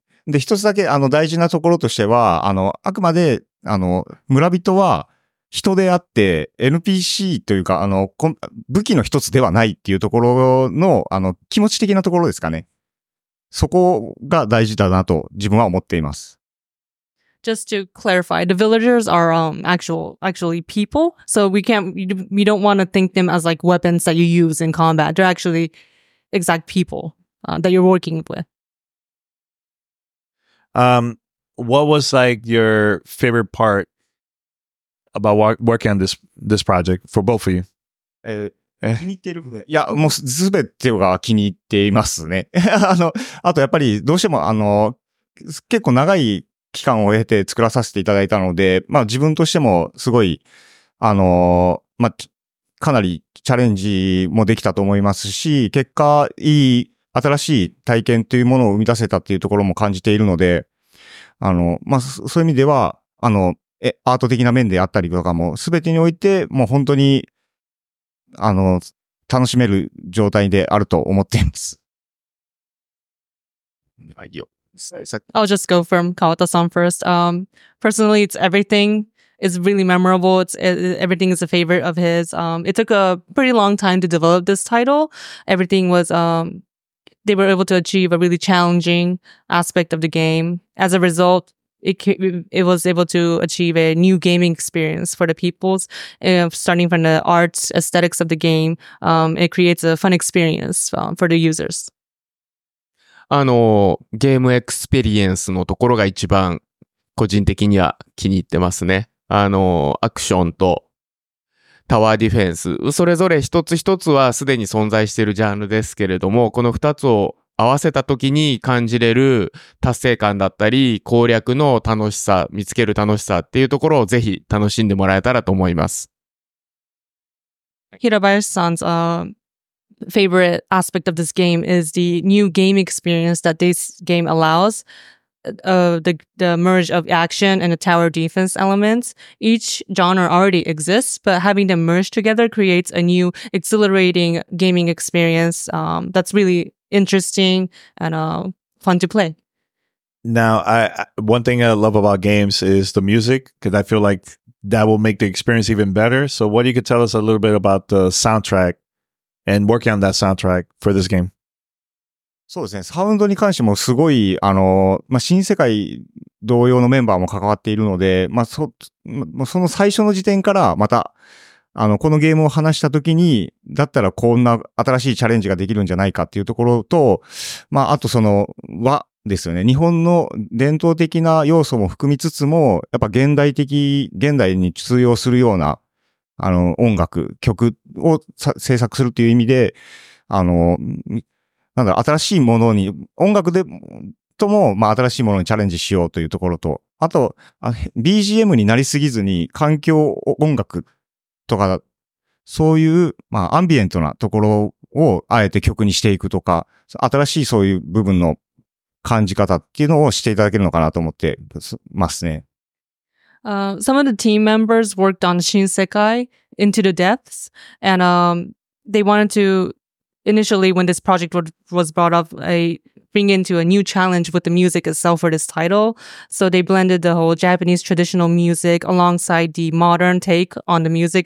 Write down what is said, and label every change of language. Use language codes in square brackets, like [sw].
[ja] で、一つだけ、大事なところとしては、あくまで、村人は人であって、NPC というか、武器の一つではないっていうところの、気持ち的なところですかね。そこが大事だなと、自分は思っています。 [en] Just to clarify, the villagers are, actually people. So we don't want to think them as like weapons that you use in combat. They're actually exact people, that you're working with. What was like your favorite part about working on this project for both of you? [ja] 気に入っている部分。いや、もうすべてが気に入っていますね。あとやっぱりどうしても結構長い期間を経て作らさせていただいたので、まあ自分としてもすごい、まあ、かなりチャレンジもできたと思いますし、結果いい新しい体験というものを生み出せたっていうところも感じているので、まあ、そういう意味では、アート的な面であったりとかも、すべてにおいて、もう本当に、楽しめる状態であると思っています。はいよ。 [en] I'll just go from Kawata-san first. Personally, it's everything. It's really memorable. Everything is a favorite of his. It took a pretty long time to develop this title. Everything was, they were able to achieve a really challenging aspect of the game. As a result, it was able to achieve a new gaming experience for the peoples, starting from the art aesthetics of the game. It creates a fun experience for the users. [ja] ゲームエクスペリエンスのところが一番個人的には気に入ってますね。アクションとタワーディフェンス、それぞれ一つ一つはすでに存在しているジャンルですけれども、この二つを合わせた時に感じれる達成感だったり、攻略の楽しさ、見つける楽しさっていうところをぜひ楽しんでもらえたらと思います。 [en] 平林さん、favorite aspect of this game is the new game experience that this game allows, the merge of action and the tower defense elements. Each genre already exists, but having them merged together creates a new exhilarating gaming experience that's really interesting and fun to play. Now, one thing I love about games is the music, because I feel like that will make the experience even better. So what you could tell us a little bit about the soundtrack? And working on that soundtrack for this game. [ja] そうですね。サウンドに関してもすごい、まあ、新世界同様のメンバーも関わっているので、まあ、その最初の時点から、また、このゲームを話したときに、だったらこんな新しいチャレンジができるんじゃないかっていうところと、まあ、あとその和ですよね。日本の伝統的な要素も含みつつも、やっぱ現代に通用するような、音楽、曲を制作するという意味で、なんだろう、新しいものに、音楽でとも、まあ、新しいものにチャレンジしようというところと、あと、BGM になりすぎずに、環境音楽とか、そういう、まあ、アンビエントなところを、あえて曲にしていくとか、新しいそういう部分の感じ方っていうのをしていただけるのかなと思ってますね。 [en] Some of the team members worked on Shin Sekai Into the Depths, and they wanted to, initially when this project was brought up, bring into a new challenge with the music itself for this title. So they blended the whole Japanese traditional music alongside the modern take on the music.